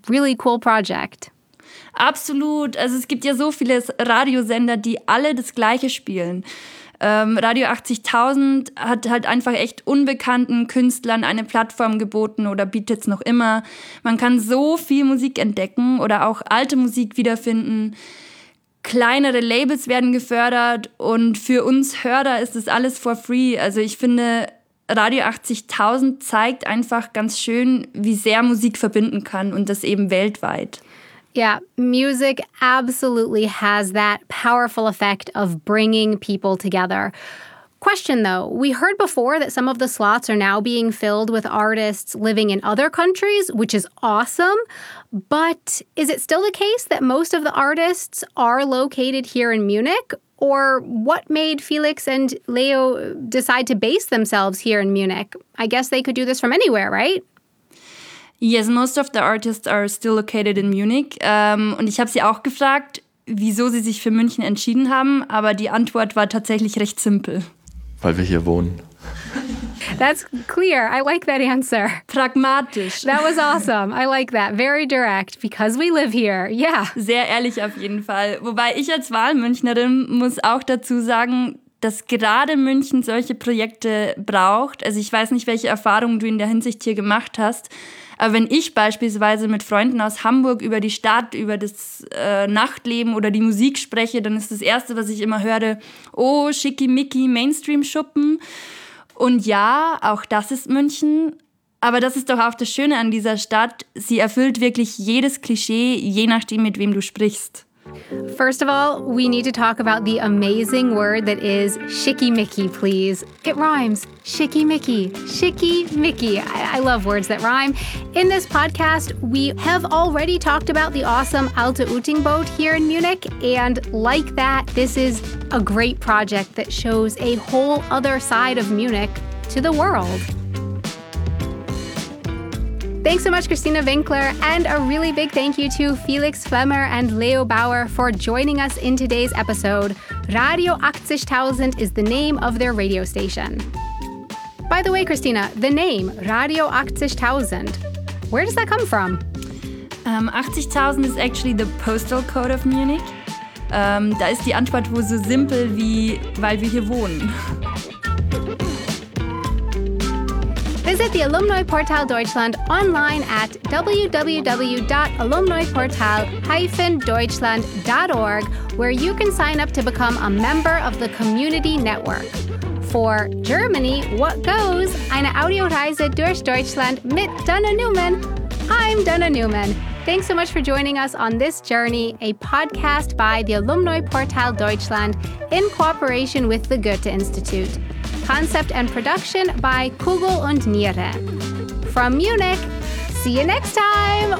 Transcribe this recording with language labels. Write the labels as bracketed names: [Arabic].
[English] Really cool project. [German] Absolut. Also es gibt ja so viele Radiosender, die alle das Gleiche spielen. Radio 80.000 hat halt einfach echt unbekannten Künstlern eine Plattform geboten oder bietet es noch immer. Man kann so viel Musik entdecken oder auch alte Musik wiederfinden. Kleinere Labels werden gefördert und für uns Hörer ist es alles [English] for free. [German] Also ich finde, Radio 80.000 zeigt einfach ganz schön, wie sehr Musik verbinden kann und das eben weltweit. [English] Yeah, music absolutely has that powerful effect of bringing people together. Question though, we heard before that some of the slots are now being filled with artists living in other countries, which is awesome. But is it still the case that most of the artists are located here in Munich? Or what made Felix and Leo decide to base themselves here in Munich? I guess they could do this from anywhere, right? Yes, most of the artists are still located in Munich. [German] Und ich habe sie auch gefragt, wieso sie sich für München entschieden haben. Aber die Antwort war tatsächlich recht simpel. Weil wir hier wohnen. [English] That's clear. I like that answer. [German] Pragmatisch. [English] That was awesome. I like that. Very direct. Because we live here. Yeah. [German] Sehr ehrlich auf jeden Fall. Wobei ich als Wahlmünchnerin muss auch dazu sagen, dass gerade München solche Projekte braucht. Also ich weiß nicht, welche Erfahrungen du in der Hinsicht hier gemacht hast. Aber wenn ich beispielsweise mit Freunden aus Hamburg über die Stadt, über das Nachtleben oder die Musik spreche, dann ist das Erste, was ich immer höre, oh, schickimicki Mainstream-Schuppen. Und ja, auch das ist München. Aber das ist doch auch das Schöne an dieser Stadt. Sie erfüllt wirklich jedes Klischee, je nachdem, mit wem du sprichst. [English] First of all, we need to talk about the amazing word that is schickimicki, please. It rhymes. Schickimicki. Schickimicki. I love words that rhyme. In this podcast, we have already talked about the awesome Alte Uting boat here in Munich. And like that, this is a great project that shows a whole other side of Munich to the world. Thanks so much, Christina Winkler, and a really big thank you to Felix Flemmer and Leo Bauer for joining us in today's episode. Radio 80.000 is the name of their radio station. By the way, Christina, the name Radio 80.000, where does that come from? 80.000 is actually the postal code of Munich. [German] Da ist die Antwort wohl so simpel wie, weil wir hier wohnen. [English] Visit the Alumni Portal Deutschland online at www.alumniportal-deutschland.org, where you can sign up to become a member of the community network. for Germany, What Goes? [German] Eine Audioreise durch Deutschland mit Dana Newman. [English] I'm Dana Newman. Thanks so much for joining us on this journey, a podcast by the Alumni Portal Deutschland in cooperation with the Goethe Institute. Concept and production by Kugel und Niere. From Munich, see you next time!